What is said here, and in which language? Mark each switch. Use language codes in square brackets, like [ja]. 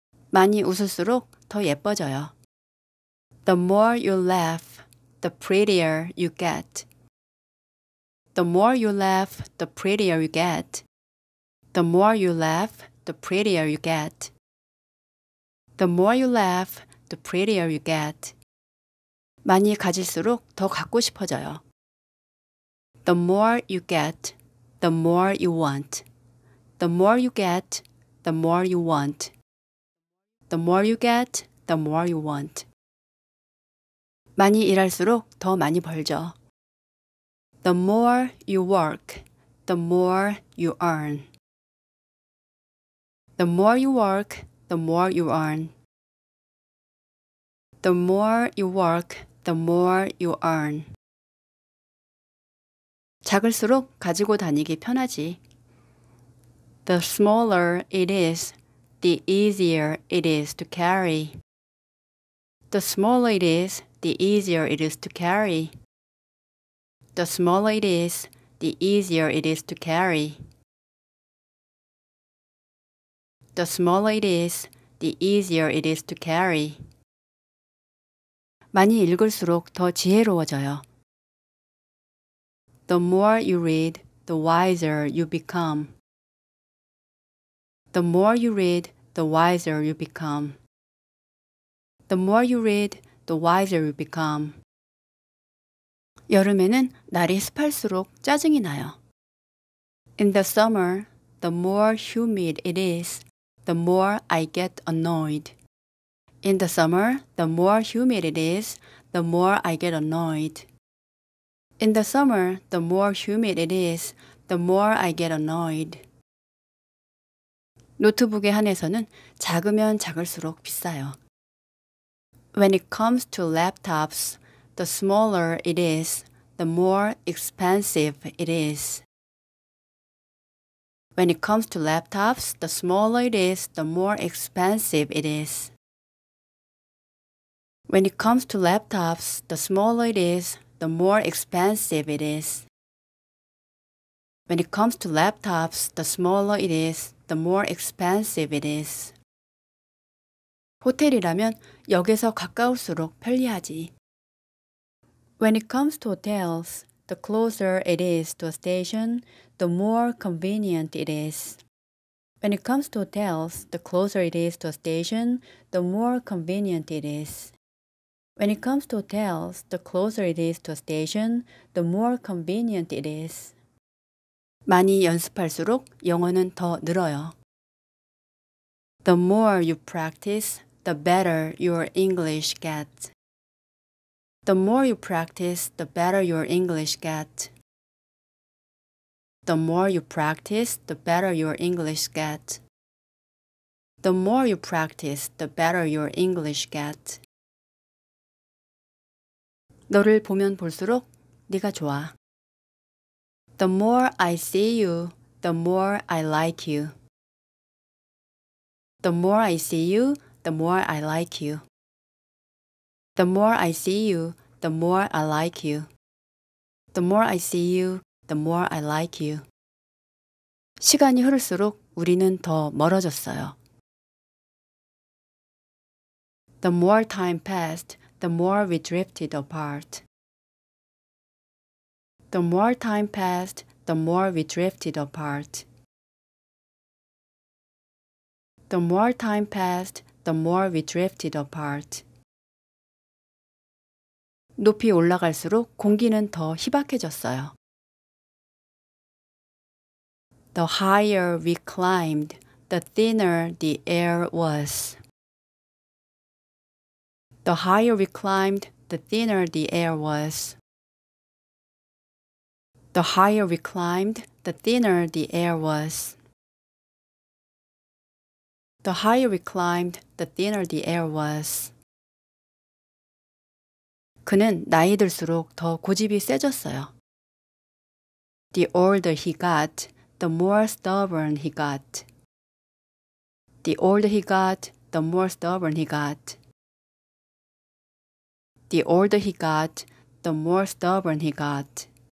[ko] 많이 웃을수록 더 예뻐져요. [en] The more you laugh, the prettier you get. The more you laugh, the prettier you get. The more you laugh, the prettier you get. The more you laugh, the prettier you get. [ko] 많이 가질수록 더 갖고 싶어져요. [en] The more you get, the more you want. The more you get, the more you want. The more you get, the more you want. [ko] 많이 일할수록 더 많이 벌죠. [en] The more you work, the more you earn. The more you work, the more you earn. The more you work, the more you earn. [ko] 작을수록 가지고 다니기 편하지. [en] The smaller it is, the easier it is to carry. The smaller it is, the easier it is to carry. The smaller it is, the easier it is to carry. The smaller it is, the easier it is to carry. [ko] 많이 읽을수록 더 지혜로워져요. [en] The more you read, the wiser you become. The more you read, the wiser you become. The more you read, the wiser you become. [ko] 여름에는 날이 습할수록 짜증이 나요. [en] In the summer, the more humid it is, the more I get annoyed. In the summer, the more humid it is, the more I get annoyed. In the summer, the more humid it is, the more I get annoyed. [ko] 노트북에 한해서는 작으면 작을수록 비싸요. [en] When it comes to laptops, the smaller it is, the more expensive it is. When it comes to laptops, the smaller it is, the more expensive it is. When it comes to laptops, the smaller it is, the more expensive it is. When it comes to laptops, the smaller it is, the more expensive it is. [ko] 호텔이라면 역에서 가까울수록 편리하지. [en] When it comes to hotels, the closer it is to a station, the more convenient it is. When it comes to hotels, the closer it is to a station, the more convenient it is. When it comes to hotels, the closer it is to a station, the more convenient it is. [ko] 많이 연습할수록 영어는 더 늘어요. [en] The more you practice, the better your English gets. The more you practice, the better your English gets. The more you practice, the better your English gets. The more you practice, the better your English gets. [ko] 너를 보면 볼수록 네가 좋아. [en] The more I see you, the more I like you. The more I see you, the more I like you. The more I see you, the more I like you. The more I see you, the more I like you. [ko] 시간이 흐를수록 우리는 더 멀어졌어요. [en] The more time passed, the more we drifted apart. The more time passed, the more we drifted apart. The more time passed, the more we drifted apart. [ko] 높이 올라갈수록 공기는 더 희박해졌어요. [en] The higher we climbed, the thinner the air was. The higher we climbed, the thinner the air was. The higher we climbed, the thinner the air was. The higher we climbed, the thinner the air was. [ko] 그는 나이 들수록 더 고집이 세졌어요. [en] The older he got, the more stubborn he got. The older he got, the more stubborn he got. The older he got, the more stubborn he got.